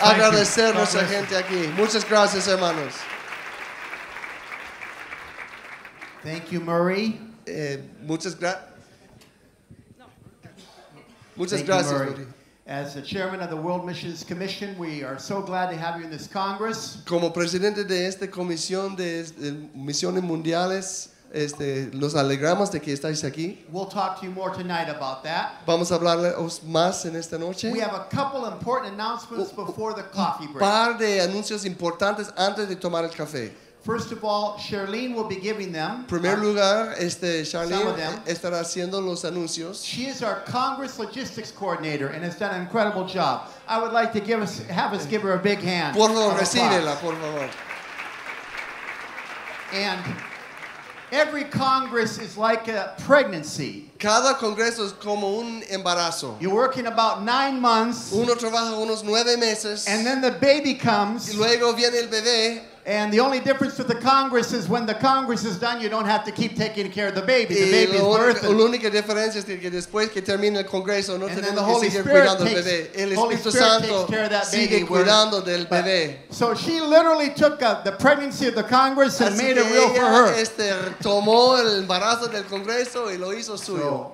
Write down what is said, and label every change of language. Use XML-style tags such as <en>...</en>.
<es>Agradecer a nuestra gente aquí. Muchas gracias, hermanos.</es> <en>Thank you, Murray.</en> <es>Muchas gracias, Murray.</es> <en>As the chairman of the World Missions Commission, we are so glad to have you in this Congress.</en> <es>Como presidente de esta comisión de misiones mundiales, nos alegramos de que estáis aquí.</es> <en>We'll talk to you more tonight about that.</en> <es>Vamos a hablaros más en esta noche.</es> <en>We have a couple important announcements before the coffee break.</en> <es>Par de anuncios importantes antes de tomar el café.</es> <en>First of all, Charlene will be giving them.</en> <es>Primer lugar, Charlene estará haciendo los anuncios.</es> <en>She is our Congress Logistics Coordinator and has done an incredible job. I would like to have us give her a big hand.</en> <es>Por favor, recíbela, por favor.</es> <en>And every Congress is like a pregnancy.</en> <es>Cada congreso es como un embarazo.</es> <en>You're working about 9 months.</en> <es>Uno trabaja unos 9 meses.</es> <en>And then the baby comes.</en> <es>Y luego viene el bebé.</es> <en>And the only difference with the Congress is when the Congress is done, you don't have to keep taking care of the baby. The baby is birthed.</en> <es>La única diferencia es que después que termina el Congreso, no tenemos que seguir cuidando del bebé. El Espíritu Santo sigue cuidando del bebé.</es> <en>So she literally took the pregnancy of the Congress and made it real for her.</en> <es>Tomó el embarazo del Congreso y lo hizo suyo.</es>